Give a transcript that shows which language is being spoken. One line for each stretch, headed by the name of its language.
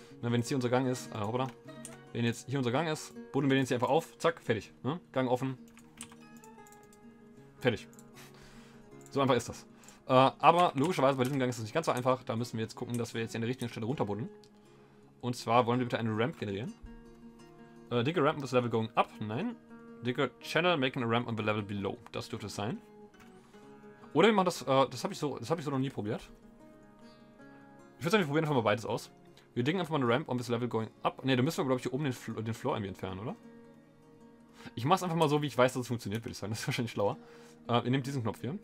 German: Na, wenn jetzt hier unser Gang ist, hoppala. Wenn jetzt hier unser Gang ist, buddeln wir den jetzt hier einfach auf. Zack, fertig. Ne? Gang offen. Fertig. So einfach ist das. Aber logischerweise bei diesem Gang ist es nicht ganz so einfach. Da müssen wir jetzt gucken, dass wir jetzt hier an der richtigen Stelle runterbuddeln. Und zwar wollen wir bitte eine Ramp generieren.
English: Digger Ramp with level going up.
German: Nein.
English: Digger Channel making a ramp on the level below.
German: Das dürfte es sein. Oder wir machen das, das habe ich so noch nie probiert. Ich würde sagen, wir probieren einfach mal beides aus. Wir diggen einfach mal eine Ramp
English: on this level going up.
German: Ne, da müssen wir, glaube ich, hier oben den Floor irgendwie entfernen, oder? Ich mache es einfach mal so, wie ich weiß, dass es funktioniert, würde ich sagen. Das ist wahrscheinlich schlauer. Ihr nehmt diesen Knopf hier.